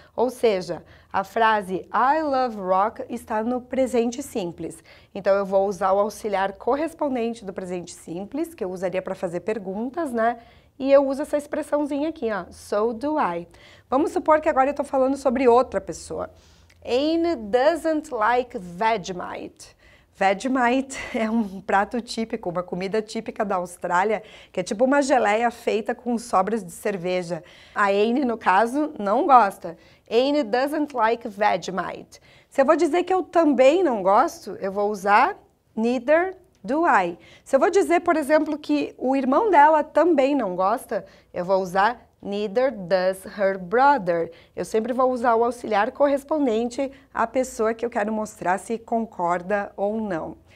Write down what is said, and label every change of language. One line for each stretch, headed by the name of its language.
Portuguese: Ou seja, a frase
English: I love rock
Portuguese: está no presente simples. Então, eu vou usar o auxiliar correspondente do presente simples, que eu usaria para fazer perguntas, né? E eu uso essa expressãozinha aqui, ó,
English: so do I.
Portuguese: Vamos supor que agora eu estou falando sobre outra pessoa.
English: Anne doesn't like Vegemite.
Portuguese: Vegemite é um prato típico, uma comida típica da Austrália, que é tipo uma geleia feita com sobras de cerveja. A Anne, no caso, não gosta.
English: Anne doesn't like Vegemite.
Portuguese: Se eu vou dizer que eu também não gosto, eu vou usar
English: neither do I.
Portuguese: Se eu vou dizer, por exemplo, que o irmão dela também não gosta, eu vou usar
English: neither does her brother.
Portuguese: Eu sempre vou usar o auxiliar correspondente à pessoa que eu quero mostrar se concorda ou não.